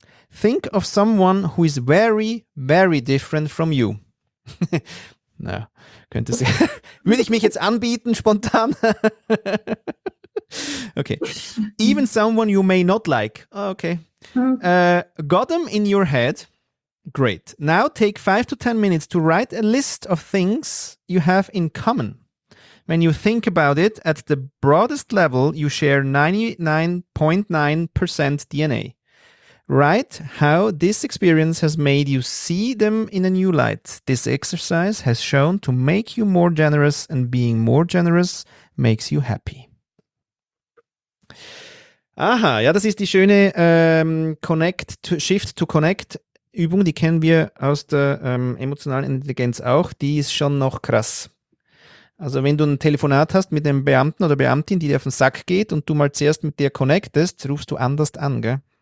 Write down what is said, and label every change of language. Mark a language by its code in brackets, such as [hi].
[en] Think of someone who is very, very different from you. [de] Na, könnte sie. Würde ich mich jetzt anbieten, spontan? Okay. [en] Even someone you may not like. Oh, okay. Got them in your head. Great. Now take 5 to 10 minutes to write a list of things you have in common. When you think about it, at the broadest level, you share 99.9% DNA. Write how this experience has made you see them in a new light. This exercise has shown to make you more generous, and being more generous makes you happy. [de] Aha, ja, das ist die schöne Shift-to-Connect-Übung, die kennen wir aus der emotionalen Intelligenz auch, die ist schon noch krass. Also wenn du ein Telefonat hast mit einem Beamten oder Beamtin, die dir auf den Sack geht und du mal zuerst mit dir connectest, rufst du anders an, gell?